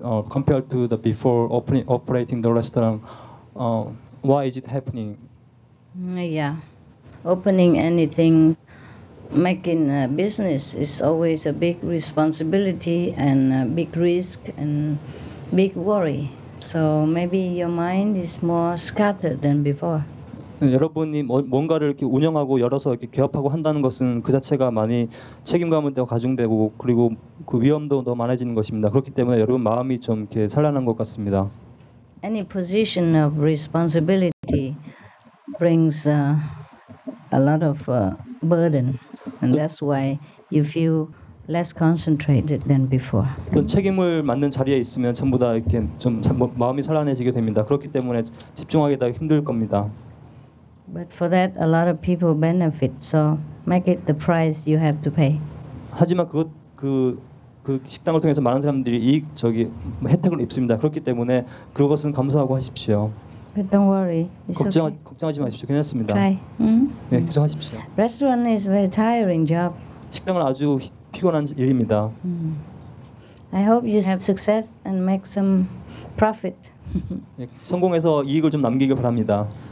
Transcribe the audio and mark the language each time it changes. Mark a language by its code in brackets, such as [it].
[en] Compared to the before operating the restaurant, why is it happening? Yeah, opening anything, making a business is always a big responsibility and a big risk and big worry. So maybe your mind is more scattered than before. [ko] 여러분이 뭔가를 이렇게 운영하고 열어서 이렇게 개업하고 한다는 것은 그 자체가 많이 책임감은 더 가중되고 그리고 그 위험도 더 많아지는 것입니다. 그렇기 때문에 여러분 마음이 좀 이렇게 산란한 것 같습니다. [en] Any position of responsibility brings a lot of burden, and that's why you feel less concentrated than before. [ko] 어떤 책임을 맡는 자리에 있으면 전부 다 이렇게 좀 마음이 산란해지게 됩니다. 그렇기 때문에 집중하기가 힘들 겁니다. [en] But for that, a lot of people benefit. So make it the price you have to pay. [ko] 하지만 그 식당을 통해서 많은 사람들이 혜택을 입습니다. 그렇기 때문에 그것은 감사하고 하십시오. [en] But don't worry. It's [ko] 걱정하지 마십시오. 괜찮습니다. [en] Try. [ko] 네, 계속하십시오. [en] Restaurant is a very tiring job. [ko] 식당은 아주 피곤한 일입니다. [en] I hope you have success and make some profit. [ko] 네, 성공해서 이익을 좀 남기길 바랍니다.